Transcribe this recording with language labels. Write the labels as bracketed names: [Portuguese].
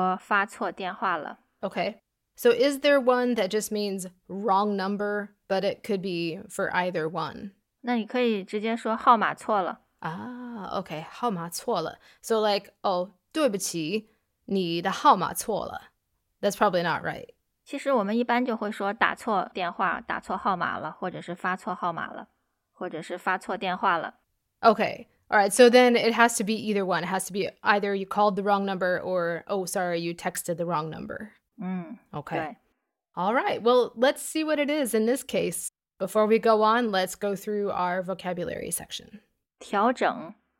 [Chinese] 一般如果有人打给你电话，你说打错电话了，或者如果有人发信息给你，你可以回他说发错电话了。Okay. [English] So is there one that just means wrong number, but it could be for either one? [Chinese] 那你可以直接说号码错了。Okay, 号码错了。 [English] So like, oh, [Chinese] 对不起, 你的号码错了。 [English] That's probably not right. [Chinese] 其实我们一般就会说打错电话，打错号码了，或者是发错号码了，或者是发错电话了。Okay, [English] all right, so then it has to be either one. It has to be either you called the wrong number or, oh, sorry, you texted the wrong number. Okay. All right. Well, let's see what it is in this case. Before we go on, let's go through our vocabulary section. [Chinese] 调整.